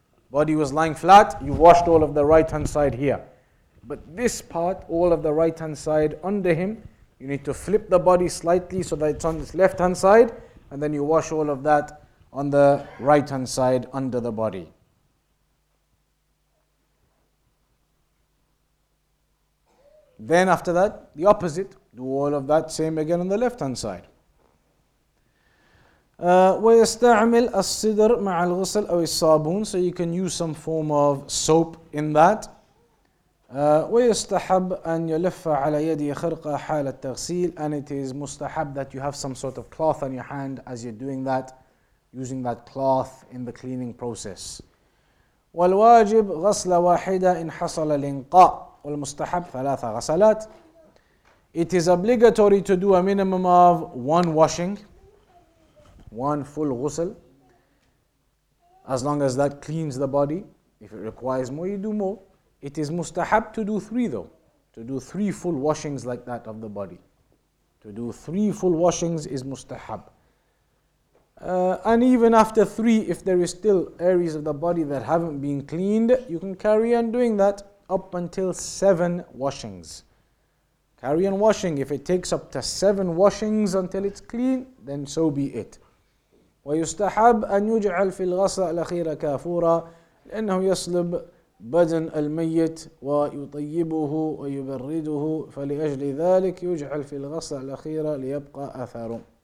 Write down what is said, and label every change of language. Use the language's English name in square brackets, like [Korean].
[English] Body was lying flat, you washed all of the right-hand side here. But this part, all of the right-hand side under him, you need to flip the body slightly so that it's on its left-hand side, and then you wash all of that on the right-hand side under the body. Then after that, the opposite, do all of that same again on the left-hand side. [Arabic] ويستعمل الصدر مع الغسل أو الصابون. [English] So you can use some form of soap in that. [Arabic] ويستحب أن يلف على يدي خرقة حال التغسيل. [English] And it is مستحب that you have some sort of cloth on your hand as you're doing that, using that cloth in the cleaning process. [Arabic] والواجب غسل واحدة إن حصل الإنقاء. والمستحب ثلاثة غسلات. [English] It is obligatory to do a minimum of one washing, one full ghusl, as long as that cleans the body. If it requires more, you do more. It is mustahab to do three though, to do three full washings like that of the body. To do three full washings is mustahab. And even after three, if there is still areas of the body that haven't been cleaned, you can carry on doing that up until seven washings. Carry on washing. If it takes up to seven washings until it's clean, then so be it. [Arabic] ويستحب أن يجعل في الغسل الأخير كافورا لأنه يسلب بدن الميت ويطيبه ويبرده فلأجل ذلك يجعل في الغسل الأخير ليبقى أثره.